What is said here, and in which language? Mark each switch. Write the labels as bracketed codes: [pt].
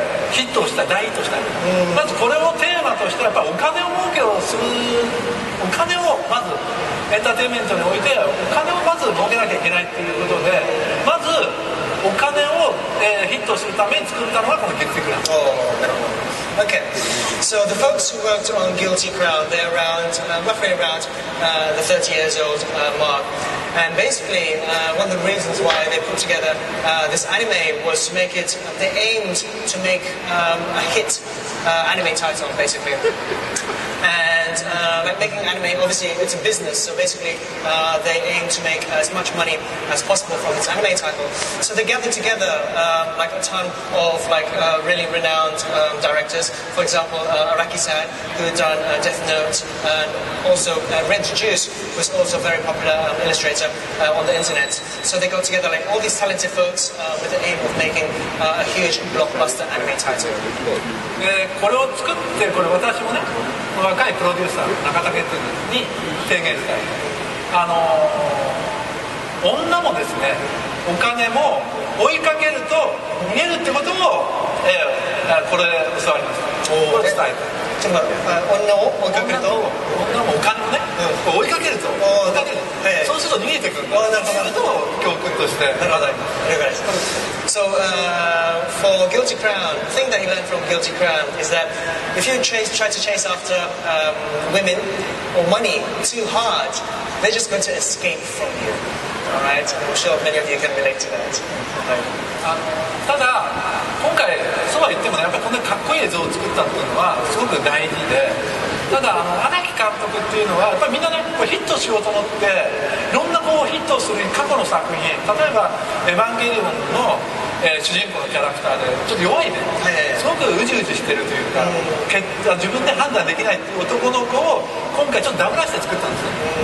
[ja] ヒットをした、大ヒットした、まずこれをテーマとして、やっぱお金を儲けをする、お金をまずエンターテインメントにおいてお金をまず儲けなきゃいけないっていうことで、まずお金を、ヒットするために作ったのがこのゲッティクラウン。 [en] Okay, so the folks who worked on Guilty Crown, they're around, roughly around the 30 years old mark. And basically, one of the reasons why they put together this anime was to make it, they aimed to make a hit anime title, basically. And And making anime, obviously, it's a business. So basically, they aim to make as much money as possible from this anime title. So they gather together like a ton of like really renowned directors. For example, Araki-san, who had done Death Note, and also Red Juice, who's also a very popular illustrator on the internet. So they got together like all these talented folks with the aim of making a huge blockbuster anime title. [ja] これを作ってこれ私もね若いプロデューサー中武っていうのに提言した女もですねお金も追いかけると逃げるってことも、これで教わりました。これ伝えた。ちょっと待って、女を追いかけると、女もお金をね、うん、追いかけると追いかける、そうすると逃げてくる。なるほど。と教訓としてありがとうございます。 [en] So for Guilty Crown, the thing that he learned from Guilty Crown is that if you try to chase after women or money too hard, they're just going to escape from you. All right, I'm sure many of you can relate to that. [ja] ただ今回そうは言ってもね、やっぱりこんなかっこいい映像を作ったっていうのはすごく大事で、ただ荒木監督っていうのはやっぱりみんなね、こうヒットしようと思っていろんなこうヒットをする過去の作品、例えばエヴァンゲリオンの、主人公のキャラクターでちょっと弱いね、すごくうじうじしてるというか、自分で判断できない男の子を今回ちょっとダブらして作ったんですよ。